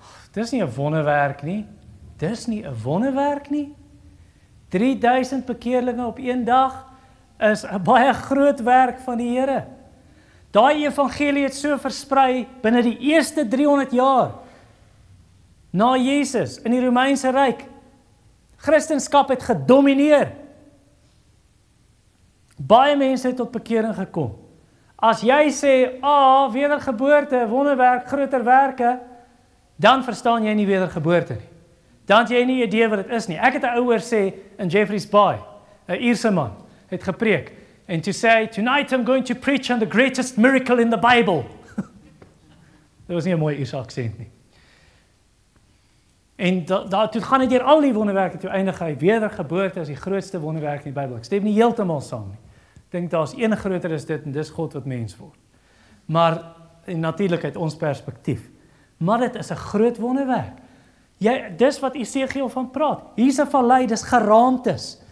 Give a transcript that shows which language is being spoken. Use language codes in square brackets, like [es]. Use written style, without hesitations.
[af] Dis nie 'n wonderwerk nie. Dis nie 'n wonderwerk nie. 3000 bekeerlinge op een dag is 'n baie groot werk van die Here. Daai evangelie het so versprei binne die eerste 300 jaar na Jesus in die Romeinse Ryk. Christendom het gedomineer. Baie mense het tot bekering gekom. As jy sê, wedergeboorte, wonderwerk, groter werke, dan verstaan jy nie wedergeboorte nie. Dan het jy nie idee wat dit is nie. Ek het 'n ouer sê, in Jefferies Bay, 'n Ierse man, het gepreek, en toe sê, [en] tonight I'm going to preach on the greatest miracle in the Bible. [af] Dit was nie 'n mooi Ierse accent nie. En toe gaan hy deur al die wonderwerke, toe eindig hy, wedergeboorte is die grootste wonderwerk in die Bybel. Ek stem nie heeltemal saam nie. Ek dink daar is een groter as dit, en dis God wat mens word. Maar, en natuurlik uit ons perspektief, maar dit is 'n groot wonderwerk. Dis wat Esegiel van praat. Hier is een vallei, dis geraamtes.